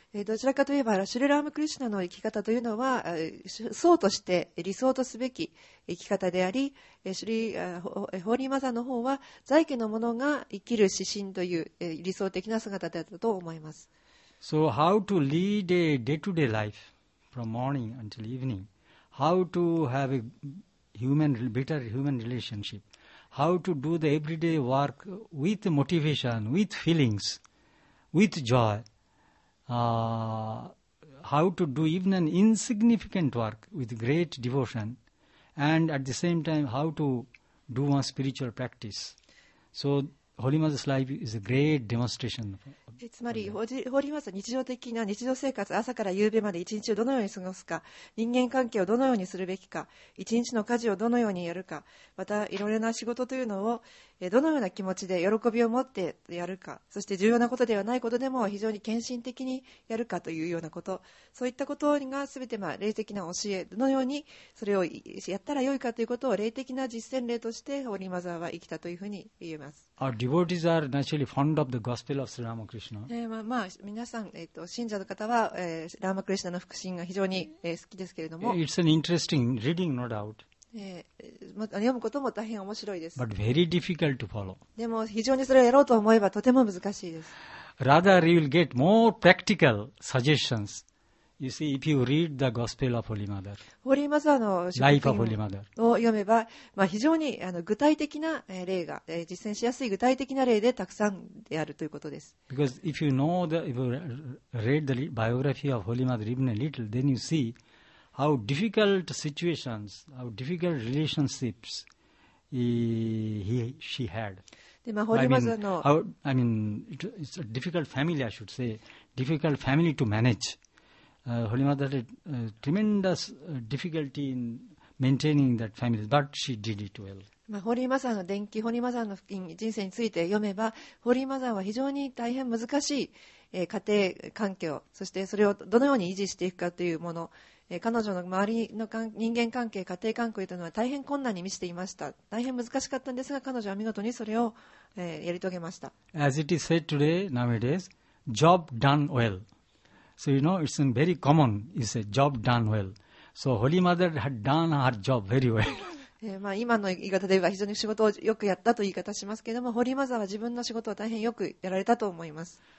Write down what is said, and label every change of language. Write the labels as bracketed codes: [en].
[ja] どちらかといえばシュラムクリシュナの生き方というのは僧として理想とすべき生き方であり、ホーリーマザーの方は在家の者が生きる指針という理想的な姿だったと思います。 [en] So how to lead a day-to-day life from morning until evening, how to have a better human relationship, how to do the everyday work with motivation, with feelings, with joy, how to do even an insignificant work with great devotion, and at the same time how to do one spiritual practice. So Holy Mother's life is a great demonstration. [ja] つまりホーリーマザー日常的な日常生活、朝から夕べまで一日をどのように過ごすか、人間関係をどのようにするべきか、一日の家事をどのようにやるか、またいろいろな仕事というのをどのような気持ちで喜びを持ってやるか、そして重要なことではないことでも非常に献身的にやるかというようなこと、そういったことがすべてまあ霊的な教え、どのようにそれをやったらよいかということを霊的な実践例としてホーリーマザーは生きたというふうに言えます。 [en] Our devotees are naturally fond of the Gospel of Sri Ramakrishna. [ja] まあ皆さん、信者の方は、ラーマクリシュナの福音が非常に好きですけれども、 [en] It's an interesting reading, no doubt. [ja] 読むことも大変面白いです。 [en] But very difficult to follow. [ja] でも非常にそれをやろうと思えばとても難しいです。 [en] Rather, you will get more practical suggestions. You see, if you read the Gospel of Holy Mother, Life of Holy Mother, [ja] を読めば、まあ、非常に具体的な例が、実践しやすい具体的な例でたくさんであるということです。 [en] Because if you know the, if you read the biography of Holy Mother even a little, then you see how difficult situations, how difficult relationships she had. [ja] でまあ、ホリマザーの [en] it's a difficult family, I should say. Difficult family to manage. Holy Mother had tremendous difficulty in maintaining that family, but she did it well. [ja] まあ、ホリマザーの伝記、ホリマザーの人生について読めば、ホリマザーは非常に大変難しい、家庭環境、そしてそれをどのように維持していくかというもの、彼女の周りの人間関係、家庭関係というのは大変困難に満ちていました。大変難しかったんですが、彼女は見事にそれを、やり遂げました。 [en] As it is said today, nowadays, job done well. So you know, it's very common, you say, job done well. So Holy Mother had done her job very well. [ja] まあ今の言い方では非常に仕事をよくやったという言い方しますけれども、ホリマザーは自分の仕事を大変よくやられたと思います。